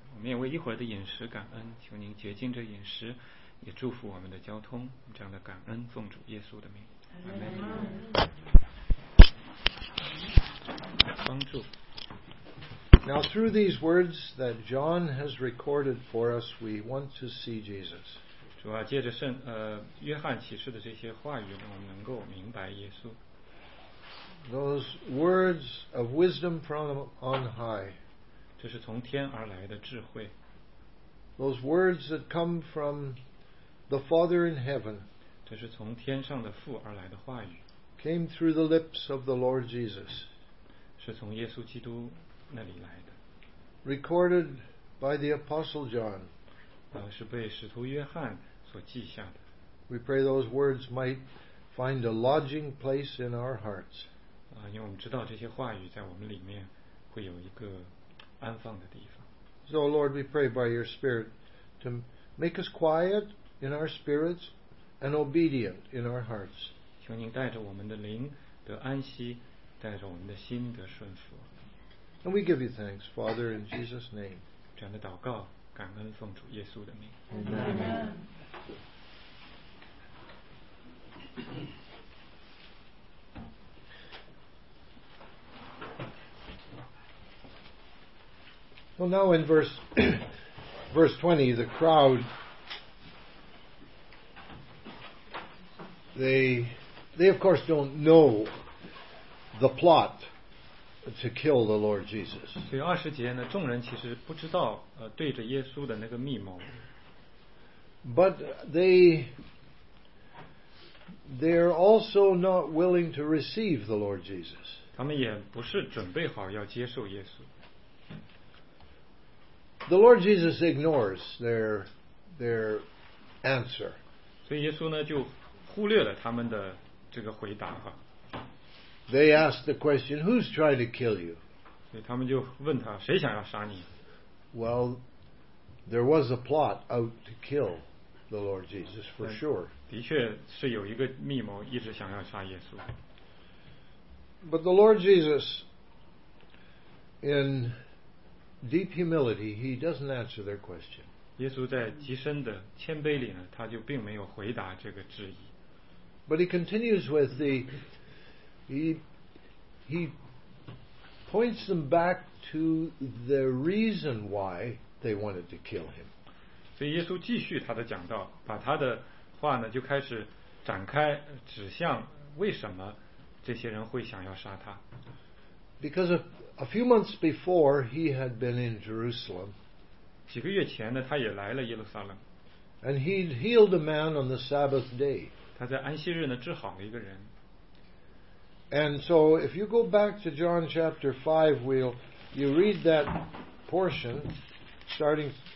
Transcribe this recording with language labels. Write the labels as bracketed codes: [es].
[zh] 我们也为一会儿的饮食感恩，求您洁净这饮食，也祝福我们的交通。这样的感恩，奉主耶稣的名，阿门。帮助。 [en] Now through these words that John has recorded for us, we want to see Jesus. [zh] 主啊，借着约翰启示的这些话语，我们能够明白耶稣。 [en] Those words of wisdom from on high， [zh] 这是从天而来的智慧。 [en] Those words that come from the Father in heaven， [zh] 这是从天上的父而来的话语。 [en] Came through the lips of the Lord Jesus， [zh] 是从耶稣基督那里来的。 [en] Recorded by the Apostle John。 [zh] 是被使徒约翰所记下的。 [en] We pray those words might find a lodging place in our hearts. [zh] 因为我们知道这些话语在我们里面会有一个安放的地方。 [en] So Lord, we pray by your Spirit to make us quiet in our spirits and obedient in our hearts. [zh] 求您带着我们的灵得安息，带着我们的心得顺服。 [en] And we give you thanks, Father, in Jesus' name. [zh] 这样的祷告，感恩奉主耶稣的名。 [en] Amen. Well, now in verse 20, the crowd, they of course don't know the plot to kill the Lord Jesus. [zh] 所以二十节呢，众人其实不知道对着耶稣的那个密谋。 [en] But they're also not willing to receive the Lord Jesus. [zh] 他们也不是准备好要接受耶稣。 [en] The Lord Jesus ignores their answer. [zh] 所以耶稣呢就忽略了他们的这个回答哈。 [en] They ask the question, "Who's trying to kill you?" [zh] 所以他们就问他谁想要杀你。 [en] Well, there was a plot out to kill the Lord Jesus for sure. [zh] 的确是有一个密谋一直想要杀耶稣。 [en] But the Lord Jesus, in deep humility, he doesn't answer their question. [zh] 耶稣在极深的谦卑里呢，他就并没有回答这个质疑。 [en] But he continues with he points them back to the reason why they wanted to kill him. [zh] 所以耶稣继续他的讲道，把他的话呢就开始展开，指向为什么这些人会想要杀他。 [en] Because a few months before he had been in Jerusalem. [zh] 几个月前呢，他也来了耶路撒冷。 [en] And he healed a man on the Sabbath day. [zh] 他在安息日呢治好了一个人。 [en] And so if you go back to John chapter 5, you read that portion starting.